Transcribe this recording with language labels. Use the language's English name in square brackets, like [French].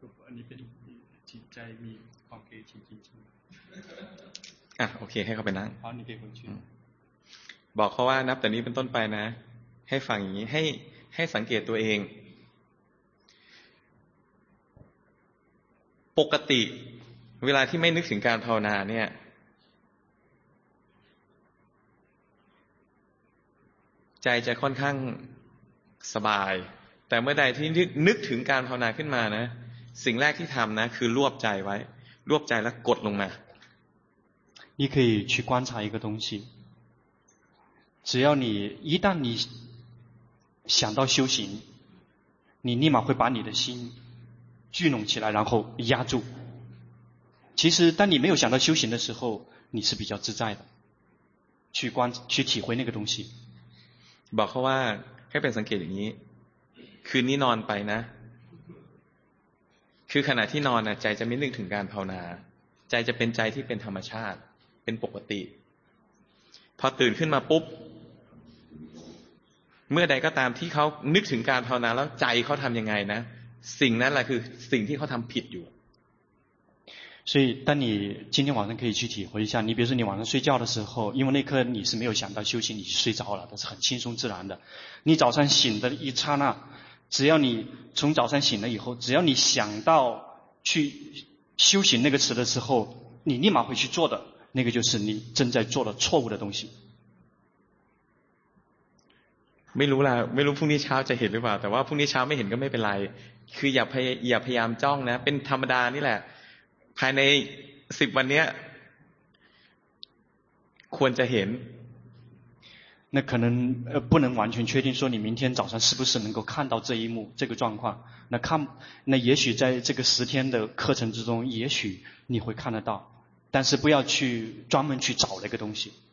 [Chinese] 你别急，在你放给静静静。啊 ，OK， 给他们。好，你给回去。 [Thai] บอกเขาว่านับแต่นี้เป็นต้นไปนะให้ฟังอย่างนี้ให้สังเกตตัวเองปกติเวลาที่ไม่นึกถึงการภาวนาเนี่ยใจจะค่อนข้างสบายแต่เมื่อใดที่นึกถึงการภาวนาขึ้นมานะสิ่งแรกที่ทำนะคือรวบใจไว้รวบใจแล้วกดลงมา [Chinese] 你可以去观察一个东西只要你一旦你想到修行你立马会把你的心聚拢起来然后压住其实当你没有想到修行的时候你是比较自在的去体会那个东西 [Thai] บอกเขาว่าให้เป็นสังเกตอย่างนี้คืนนี้นอนไปนะคือขณะที่นอนนะใจจะไม่นึกถึงการภาวนาใจจะเป็นใจที่เป็นธรรมชาติเป็นปกติพอตื่นขึ้นมาปุ๊บเมื่อใดก็ตามที่เขานึกถึงการภาวนาแล้วใจเขาทำยังไงนะสิ่งนั้นแหละคือสิ่งที่เขาทำผิดอยู่ [Chinese] 所以当你今天晚上可以去体会一下你比如说你晚上睡觉的时候因为那刻你是没有想到休息你睡着了但是很轻松自然的你早上醒的一刹那只要你从早上醒了以后只要你想到去修行那个词的时候你立马会去做的那个就是你正在做的错误的东西 [Thai] ไม่รู้ล่ะไม่รู้พรุ่งนี้เช้าจะเห็นหรือเปล่าแต่ว่าพรุ่งนี้เช้าไม่เห็นก็ไม่เป็นไรคืออย่าพยายามจ้องนะเป็นธรรมดานี่แหละภายใน10วันเนี้ยควรจะเห็น [Chinese] 那可能不能完全确定说你明天早上是不是能够看到这一幕这个状况那看那也许在这个10天的课程之中也许你会看得到但是不要去专门去找那个东西